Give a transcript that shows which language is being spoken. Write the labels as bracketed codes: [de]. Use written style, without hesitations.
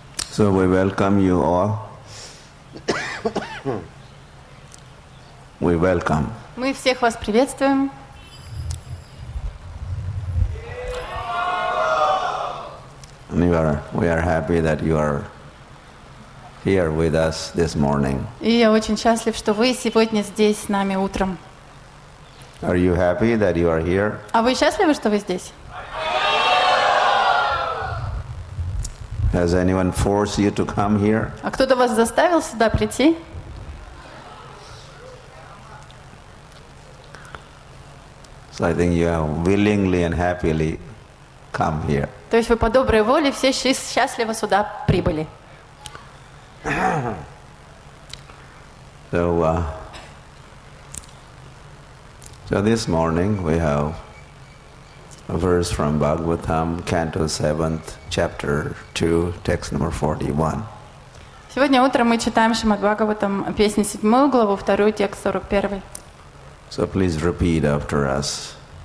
[en] So we welcome you all. We welcome. [ru] Мы всех вас приветствуем. [en] We are happy that you are here with us this morning. [ru] И я очень счастлив, что вы сегодня здесь с нами утром. [en] Are you happy that you are here? [ru] А вы счастливы, что вы здесь? [en] Has anyone forced you to come here? [ru] А кто-то вас заставил сюда прийти? [en] So I think you have willingly and happily come here. [ru] То есть вы по доброй воле все счастливо сюда прибыли. [en] So this morning we have verse from Bhagavatam, Canto 7th, Chapter 2, Text Number 41. [ru] Сегодня утром мы читаем Шримад Бхагаватам, песню 7 главу, 2 текст 41. [en] So please repeat after us.